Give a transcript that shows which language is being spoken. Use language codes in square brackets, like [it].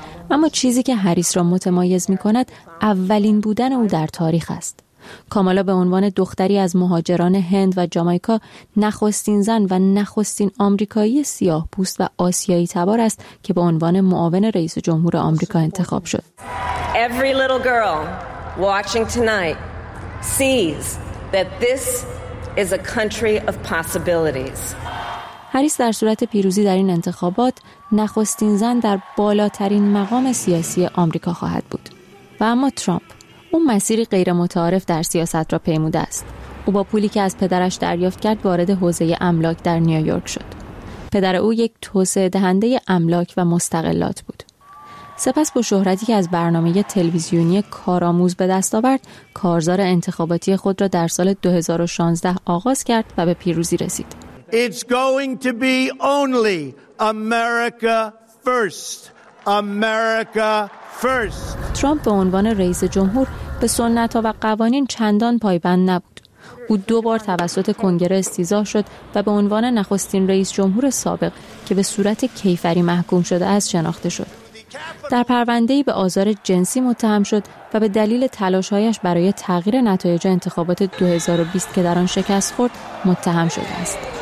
[fa] اما چیزی که هریس را متمایز می کند اولین بودن او در تاریخ است. کامالا به عنوان دختری از مهاجران هند و جامائیکا، نخستین زن و نخستین آمریکایی سیاه پوست و آسیایی تبار است که به عنوان معاون رئیس جمهور آمریکا انتخاب شد. [en] Every little girl watching tonight sees that this is a country of possibilities. [fa] هریس در صورت پیروزی در این انتخابات نخستین زن در بالاترین مقام سیاسی آمریکا خواهد بود. و اما ترامپ، او مسیری غیر متعارف در سیاست را پیموده است. او با پولی که از پدرش دریافت کرد وارد حوزه املاک در نیویورک شد. پدر او یک توسعه دهنده املاک و مستغلات بود. سپس با شهرتی که از برنامه تلویزیونی کارآموز به دست آورد، کارزار انتخاباتی خود را در سال 2016 آغاز کرد و به پیروزی رسید. [en] It's going to be only America first. America first. [fa] ترامپ به عنوان رئیس جمهور به سنت ها و قوانین چندان پایبند نبود. او دو بار توسط کنگره استیضاح شد و به عنوان نخستین رئیس جمهور سابق که به صورت کیفری محکوم شده از شناخته شد. در پرونده‌ای به آزار جنسی متهم شد و به دلیل تلاش‌هایش برای تغییر نتایج انتخابات 2020 که در آن شکست خورد متهم شده است.